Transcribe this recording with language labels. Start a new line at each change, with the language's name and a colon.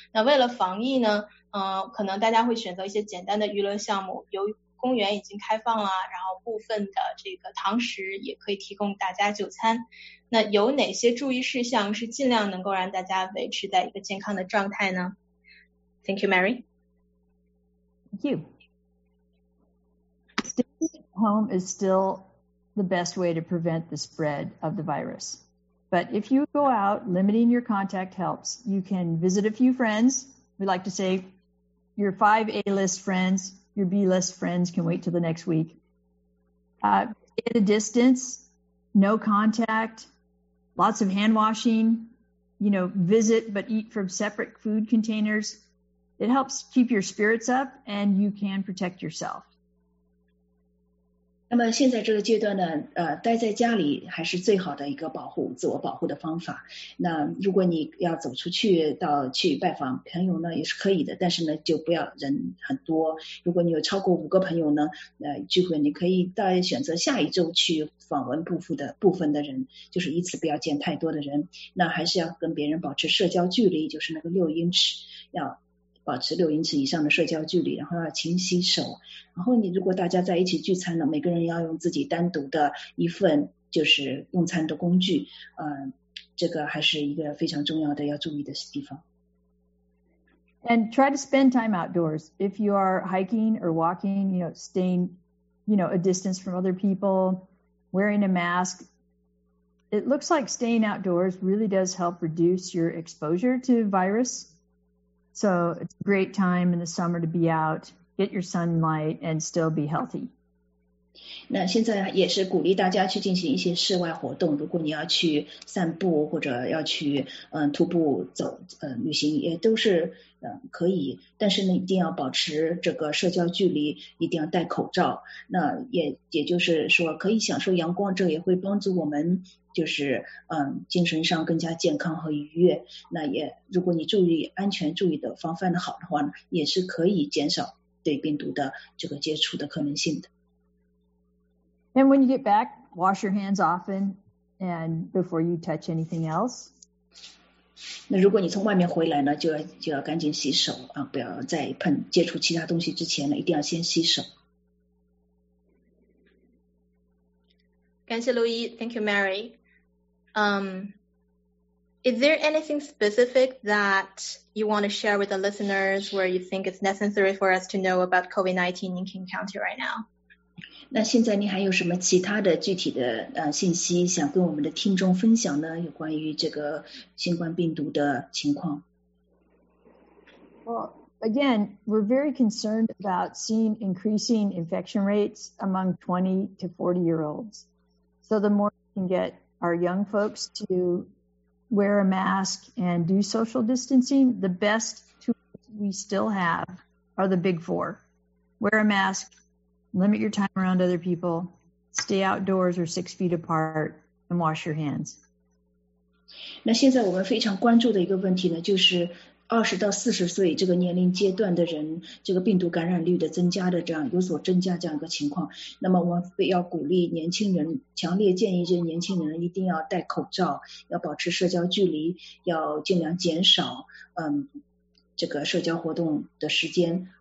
Chinese: 那为了防疫呢，可能大家会选择一些简单的娱乐项目，由于公园已经开放了，然后部分的这个堂食也可以提供大家就餐。那有哪些注意事项是尽量能够让大家维持在一个健康的状态呢？
English: Thank you, Mary. Thank you. Staying at home is still the best way to prevent the spread of the virus. But if you go out, limiting your contact helps. You can visit a few friends. We like to say your 5 A-list friends, your B-list friends can wait till the next week. Stay at a distance, no contact, lots of hand washing, you know, visit but eat from separate food containers. It helps keep your spirits up and you can protect yourself.
Chinese: 那么现在这个阶段呢，待在家里还是最好的一个保护自我保护的方法。那如果你要走出去到去拜访朋友呢，也是可以的，但是呢就不要人很多。如果你有超过5个朋友呢，聚会你可以再选择下一周去访问部分的人，就是一次不要见太多的人。那还是要跟别人保持社交距离，就是那个6英尺，要保持6英尺以上的社交距离，然后要勤洗手。然后你如果大家在一起聚餐呢，每个人要用自己单独的一份就是用餐的工具，这个还是一个非常重要的要注意的地方。
English: And try to spend time outdoors. If you are hiking or walking, you know, staying, you know, a distance from other people, wearing a mask, it looks like staying outdoors really does help reduce your exposure to virus. So it's a great time in the summer to be out, get your sunlight, and still be healthy.
Chinese: 那现在也是鼓励大家去进行一些室外活动，如果你要去散步或者要去徒步走旅行也都是可以，但是呢一定要保持这个社交距离，一定要戴口罩。那也就是说可以享受阳光，这也会帮助我们就是精神上更加健康和愉悦。那也如果你注意安全注意的防范的好的话呢，也是可以减少对病毒的这个接触的可能性的。
English: And when you get back, wash your hands often and before you touch anything else.
Chinese: 那如果你从外面回来呢，就要赶紧洗手啊，不要再碰接触其他东西之前呢，一定要先洗手。感谢
English: Louis, thank you, Mary. Is there anything specific that you want to share with the listeners where you think it's necessary for us to know about COVID-19 in King County right now?
Chinese: 那现在你还有什么其他的具体的信息想跟我们的听众分享呢？有关于这个新冠病毒的情况？
English: Well, again, we're very concerned about seeing increasing infection rates among 20 to 40 year olds. So the more we can get our young folks to wear a mask and do social distancing, the best tools we still have are the big four. Wear a mask,limit your time around other people, stay outdoors or 6 feet apart, and wash your hands.
Chinese: 那现在我们非常关注的一个问题呢，就是20到40岁这个年龄阶段的人，这个病毒感染率的增加的这样有所增加这样一个情况。那么我们要鼓励年轻人，强烈建议这年轻人一定要戴口罩，要保持社交距离，要尽量减少这个社交活动的时间。